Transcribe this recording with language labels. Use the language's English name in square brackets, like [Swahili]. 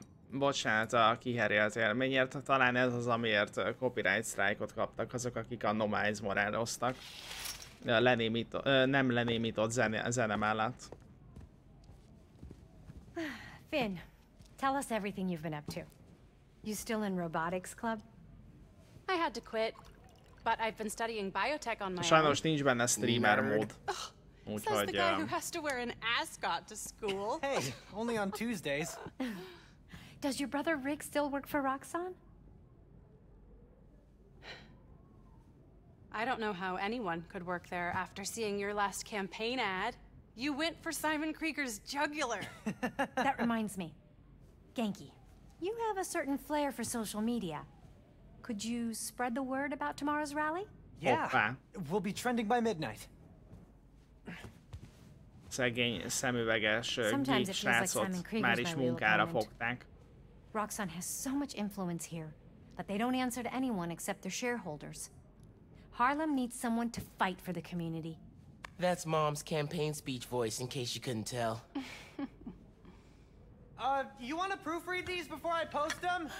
[Hungarian] Bocsánat, a kiheri az élményért, talán ez az, amiért copyright strike-ot kaptak azok, akik a Nomize moráloztak. Nem lenémított zene mellett. [English] Finn, tell us everything you've been up to. You still in robotics club? I had to quit, but I've been studying biotech on my own. [Hungarian] Sajnos nincs benne streamer mód. Úgyhogy... [English] Says the guy who has to wear an ascot to school. Hey, only on Tuesdays. Does your brother Rick still work for Roxxon? I don't know how anyone could work there after seeing your last campaign ad. You went for Simon Krieger's jugular. That reminds me. Genki, you have a certain flair for social media. Could you spread the word about tomorrow's rally? Yeah. Opa. We'll be trending by midnight. [Hungarian] Szegény szemüveges gépsrácot már is munkára fogták. [English] Roxxon has so much influence here, but they don't answer to anyone except their shareholders. Harlem needs someone to fight for the community. That's Mom's campaign speech voice, in case you couldn't tell. You want to proofread these before I post them?